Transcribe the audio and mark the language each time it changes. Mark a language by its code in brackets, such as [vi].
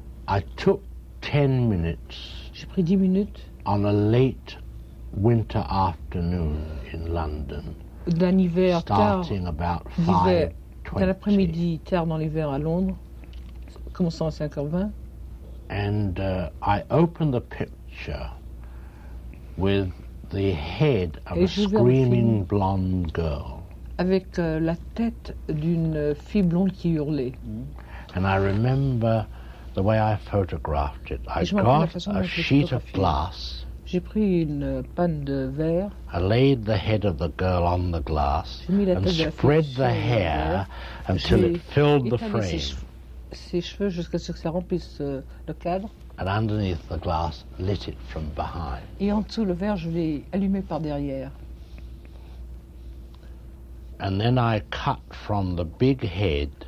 [en] I took 10 minutes. [fr] J'ai pris 10 minutes. [en] On a late winter afternoon in London. [fr] D'un hiver [en] starting [fr] tard, [en] about 5:20. [fr] D'un après-midi tard dans l'hiver à Londres, commençant à 5h20. [en] And I opened the picture with the head of [fr] et [en] a screaming blonde girl. [fr] Avec la tête d'une fille blonde qui hurlait. [en] And I remember the way I photographed it, I got a sheet of glass. [fr] J'ai pris une panne de verre. [en] I laid the head of the girl on the glass and spread the hair until it filled the frame. [fr] Ses cheveux jusqu'à ce que ça remplisse le cadre. [en] And underneath the glass, lit it from behind. [fr] Et en dessous le verre, je l'ai allumé par derrière. [en] And then I cut from the big head.